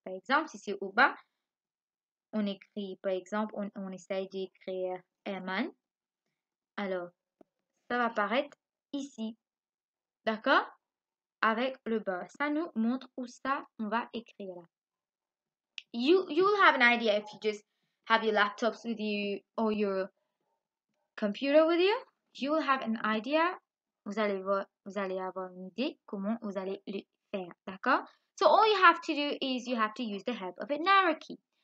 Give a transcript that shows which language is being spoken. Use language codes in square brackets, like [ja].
[fr] Par exemple, si c'est au bas, on écrit, par exemple, on essaye d'écrire Herman. Alors, ça va apparaître ici. D'accord? Avec le bas. Ça nous montre où ça on va écrire là. [en] You'll have an idea if you just have your laptops with you or your computer with you. You'll have an idea. [fr] Vous allez avoir une idée comment vous allez le faire, d'accord? [en] So all you have to do is you have to use the help of an arrow key.